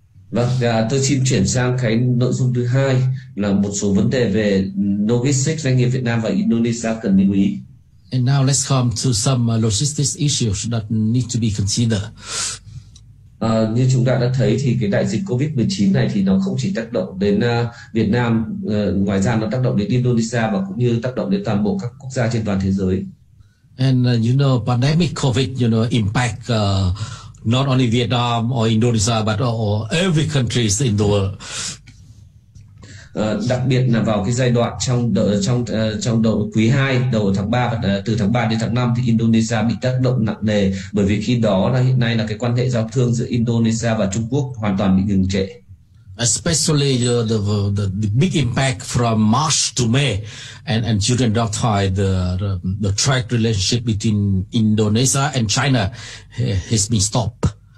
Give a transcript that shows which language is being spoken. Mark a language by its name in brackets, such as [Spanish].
[Vietnamese] Vâng, tôi xin chuyển sang cái nội dung thứ hai là một số vấn đề về logistics doanh nghiệp Việt Nam và Indonesia cần lưu ý. [English] And now let's come to some logistics issues that need to be considered. [Vietnamese] Như chúng ta đã thấy thì cái đại dịch COVID-19 này thì nó không chỉ tác động đến Việt Nam, ngoài ra nó tác động đến Indonesia và cũng như tác động đến toàn bộ các quốc gia trên toàn thế giới. [English] And you know, pandemic COVID, you know, impact not only Vietnam or Indonesia but or every country in the world. [Vietnamese] Đặc biệt là vào cái giai đoạn trong đầu quý 2, đầu tháng 3, từ tháng 3 đến tháng 5 thì Indonesia bị tác động nặng nề, bởi vì khi đó là hiện nay là cái quan hệ giao thương giữa Indonesia và Trung Quốc hoàn toàn bị ngừng trệ. [English] Especially the big impact from March to May and during that time the trade relationship between Indonesia and China has been stopped.